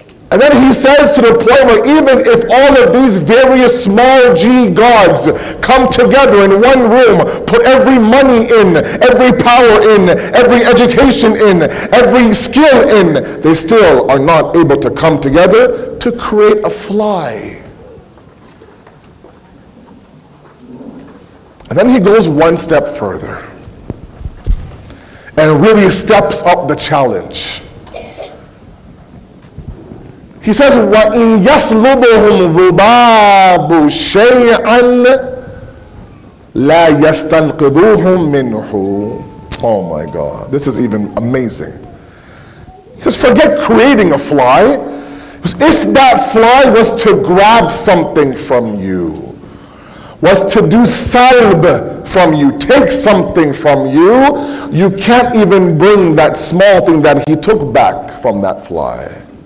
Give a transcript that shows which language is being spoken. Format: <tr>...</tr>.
<en>And then he says to the point where even if all of these various small g gods come together in one room, put every money in, every power in, every education in, every skill in, they still are not able to come together to create a fly. And then he goes one step further and really steps up the challenge. He says,</en> <ar>وَإِنْ يَسْلُبُهُمْ ذُبَابُ شَيْئًا لَا يَسْتَنْقِذُوهُمْ مِنْهُ.</ar> <en>Oh my God, this is even amazing. He says, forget creating a fly. Because if that fly was to grab something from you, was to do salb from you, take something from you, you can't even bring that small thing that he took back from that fly.</en>